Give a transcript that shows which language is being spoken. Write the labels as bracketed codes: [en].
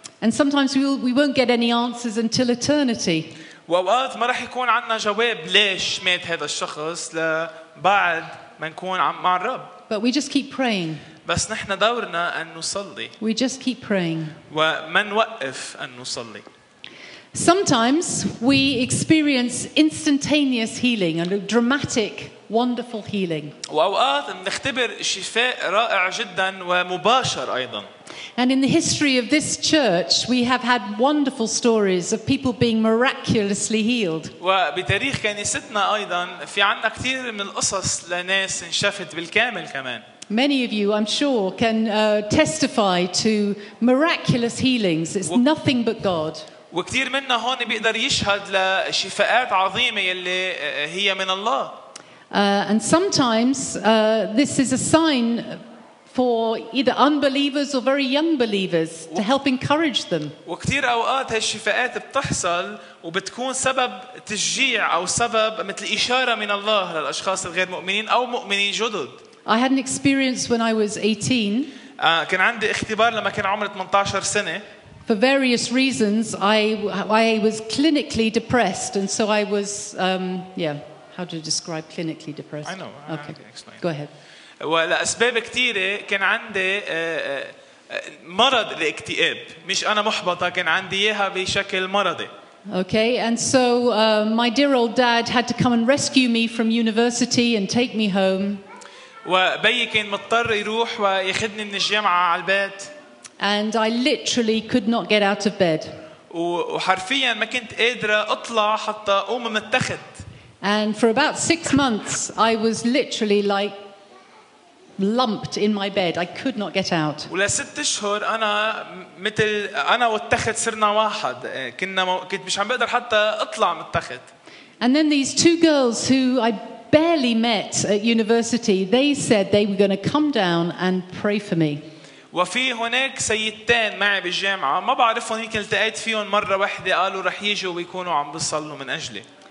[en] And sometimes we won't get any answers until eternity. [ar] وأوقات ما رح يكون عنا جواب ليش مات هذا الشخص ل بعد ما نكون مع الرب. [en] But we just keep praying. [ar] بس نحن دورنا أن نصلي. [en] We just keep praying. [ar] وما نوقف أن نصلي. [en] Sometimes we experience instantaneous healing and dramatic, wonderful healing. [ar] وأوقات نختبر شفاء رائع جدا ومباشر أيضا. [en] And in the history of this church, we have had wonderful stories of people being miraculously healed. [ar] وبتاريخ كنيستنا أيضا في عنا كثير من القصص لناس انشفت بالكامل كمان. [en] Many of you, I'm sure, can testify to miraculous healings. It's nothing but God. [ar] وكثير منا هون بيقدر يشهد لشفاءات عظيمة اللي هي من الله. [en] And sometimes this is a sign for either unbelievers or very young believers to help encourage them. [ar] وكثير أوقات هالشفاءات بتحصل وبتكون سبب تشجيع أو سبب مثل إشارة من الله للأشخاص الغير مؤمنين أو مؤمنين جدد. [en] I had an experience when I was 18. [ar] كان عندي اختبار لما كان عمري 18 سنة. [en] For various reasons, I was clinically depressed, and so I was how to describe clinically depressed? I know. Okay. I explain. Go ahead. Well, [ar] أسباب كتيرة كان عندي مرض الاكتئاب. مش أنا محبطة كان عندي إياها بشكل مرضي. [en] Okay, and so my dear old dad had to come and rescue me from university and take me home. [ar] وبي كان مضطر يروح ويخدني من الجامعة على البيت. [en] And I literally could not get out of bed. [ar] وحرفياً ما كنت قادرة أطلع حتى أقوم من التخت. [en] And for about 6 months, I was literally like lumped in my bed. I could not get out. [ar] ولست أشهر أنا مثل أنا والتخت صرنا واحد. كنت مش عم بقدر حتى أطلع من التخت. [en] And then these two girls who I barely met at university, they said they were going to come down and pray for me. [ar] وفي هناك سيدتين معي بالجامعة ما بعرفهم يمكن التقيت فيهم مرة واحدة قالوا رح يجوا ويكونوا عم بيصلوا من أجلي.